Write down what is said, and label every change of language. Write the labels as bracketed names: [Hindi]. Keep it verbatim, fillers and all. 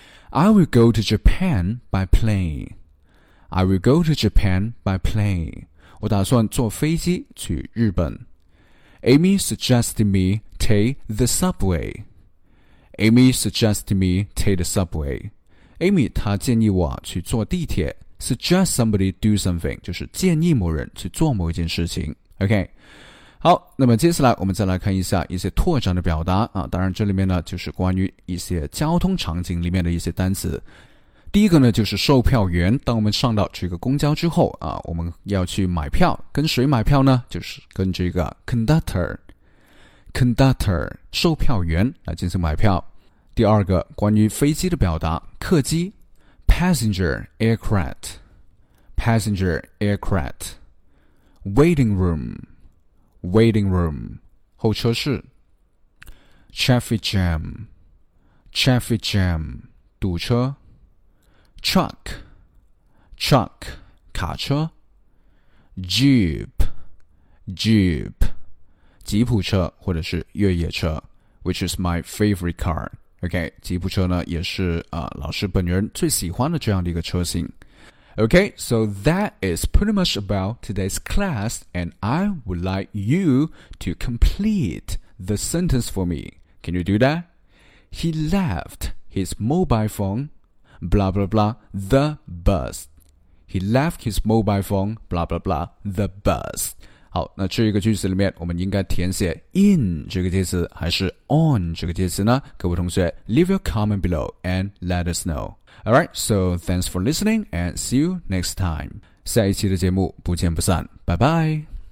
[English] I will go to Japan by plane. I will go to Japan by plane. [Chinese] 我打算坐飞机去日本。 [English] Amy suggested me take the subway. Amy suggested me take the subway. [Chinese] Amy 她建议我去坐地铁。 [English] Suggest somebody do something [Chinese] 就是建议某人去做某一件事情。 [English] OK。 [Chinese] 好，那么接下来我们再来看一下一些拓展的表达啊，当然这里面呢就是关于一些交通场景里面的一些单词。第一个呢就是售票员，当我们上到这个公交之后啊，我们要去买票，跟谁买票呢？就是跟这个 [English] conductor conductor [Chinese] 售票员来进行买票。 [English] 第二个关于飞机的表达，客机 passenger aircraft passenger aircraft waiting room Waiting room [Chinese] 候车室 [English] Traffic jam Traffic jam [Chinese] 堵车 [English] Truck Truck [Chinese] 卡车 [English] Jeep Jeep [Chinese] 吉普车或者是越野车 [English] Which is my favorite car OK [Chinese] 吉普车呢也是、呃、老师本人最喜欢的这样的一个车型 [English] Okay, so that is pretty much about today's class, and I would like you to complete the sentence for me. Can you do that? He left his mobile phone, blah, blah, blah, the bus. He left his mobile phone, blah, blah, blah, the bus. [Chinese] 好，那这一个句子里面，我们应该填写 in 这个介词还是 on 这个介词呢？各位同学 [English] ，leave your comment below and let us know. Alright, so thanks for listening and see you next time. [Chinese] 下一期的节目不见不散，拜拜。